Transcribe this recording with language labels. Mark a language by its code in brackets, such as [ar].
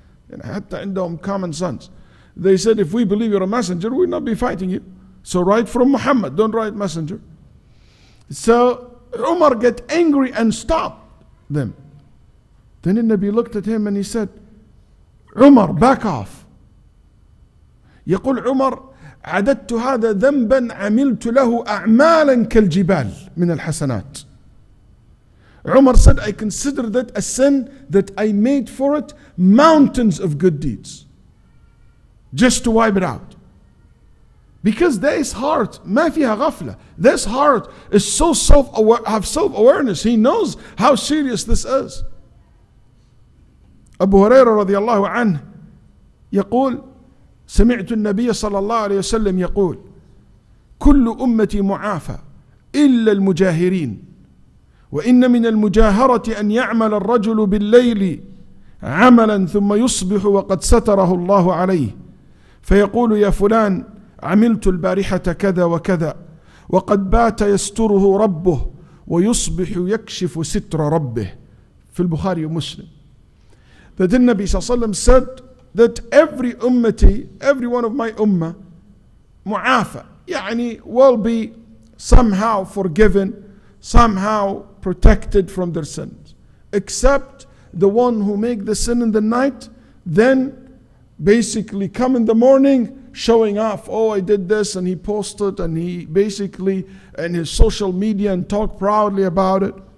[en] And [ar] hatta indahum [en] common sense. They said, if we believe you're a messenger, we'll not be fighting you. So write from Muhammad, don't write messenger. So Umar get angry and stop them. Then the Nabi looked at him and he said, Umar, back off. [ar] يقول عمر عددت هذا ذنبا عملت له أعمالا كالجبال من الحسنات. [en] عمر said, I consider that a sin that I made for it mountains of good deeds. Just to wipe it out. Because this heart, [ar] ما فيها غفلة. [en] This heart is so self-aware, have self-awareness. He knows how serious this is. [ar] Abu Huraira رضي الله عنه يقول سمعت النبي صلى الله عليه وسلم يقول كل أمتي معافى إلا المجاهرين وإن من المجاهرة أن يعمل الرجل بالليل عملا ثم يصبح وقد ستره الله عليه فيقول يا فلان عملت البارحة كذا وكذا وقد بات يستره ربه ويصبح يكشف ستر ربه. في البخاري ومسلم. [en] That the Nabi [ar] صلى الله عليه وسلم [en] said that every ummati, every one of my ummah, mu'afa, يعني will be somehow forgiven, somehow protected from their sins. Except the one who make the sin in the night, then basically come in the morning showing off, oh, I did this, and he posted, and he basically in his social media and talk proudly about it.